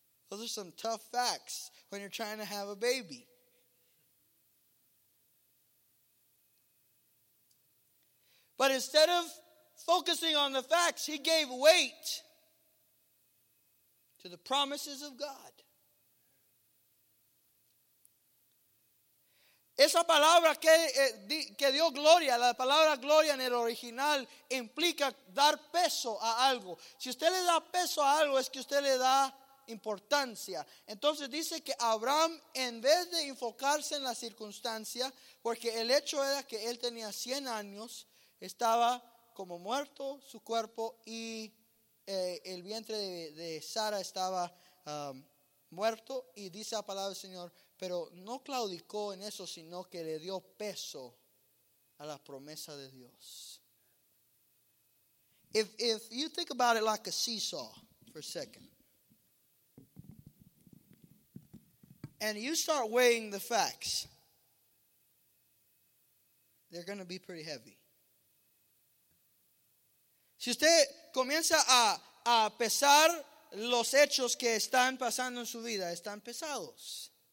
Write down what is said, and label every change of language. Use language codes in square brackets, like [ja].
[en] Those are some tough facts when you're trying to have a baby. But instead of focusing on the facts, he gave weight to the promises of God. [es] Esa palabra que dio gloria, la palabra gloria en el original, implica dar peso a algo. Si usted le da peso a algo, es que usted le da importancia. Entonces dice que Abraham, en vez de enfocarse en la circunstancia, porque el hecho era que él tenía 100 años, estaba como muerto su cuerpo y el vientre de Sara estaba muerto. Y dice la palabra del Señor, pero no claudicó en eso, sino que le dio peso a la promesa de Dios. [en] If you think about it like a seesaw for a second, and you start weighing the facts, they're going to be pretty heavy. [es] Si usted comienza a pesar los hechos que están pasando en su vida, están pesados.